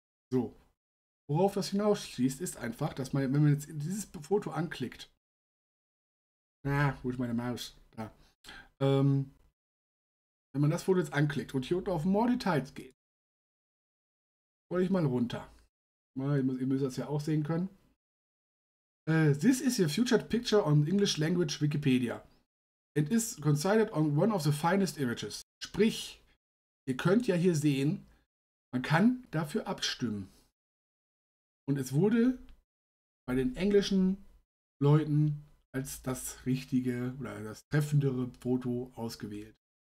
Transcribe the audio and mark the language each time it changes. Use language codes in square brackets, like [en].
[de] So, worauf das hinausschließt, ist einfach, dass man, wenn man jetzt dieses Foto anklickt, wo ist meine Maus? Da. Wenn man das Foto jetzt anklickt und hier unten auf More Details geht, scroll ich mal runter. Ihr müsst das ja auch sehen können. [en] This is your featured picture on English language Wikipedia. It is considered on one of the finest images. [de] Sprich, ihr könnt ja hier sehen, man kann dafür abstimmen. Und es wurde bei den englischen Leuten als das richtige oder das treffendere Foto ausgewählt.